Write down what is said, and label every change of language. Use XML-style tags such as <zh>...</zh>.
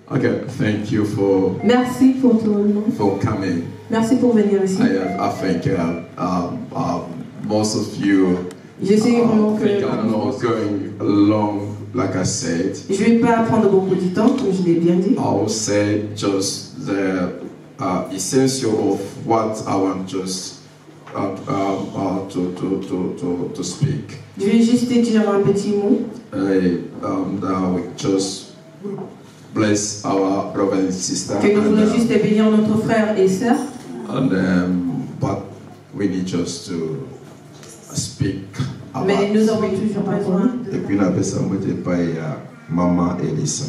<en>Okay, thank you for.</en> <fr>Merci pour tout le monde.</fr> <en>For coming.</en> <fr>Merci pour venir ici.</fr> <en>I think most of you.</en> <fr>Je sais vraiment</fr> <en>think</en> <fr>que.</fr> <en>I'm not going long. Like I said,</en> <fr>je vais pas prendre beaucoup de temps, comme je l'ai bien dit.</fr> <en>I will say just the essential of what I want just to speak.</en> <fr>Je vais juste dire un petit mot.</fr> <en>Now we just bless our brother and sister.</en> <fr>Que nous voulons juste bénir notre frère et sœur.</fr> <en>And but we need just to speak.</en> <fr>Mais nous avons toujours besoin. Et puis la personne était pas Mama Elisa.</fr>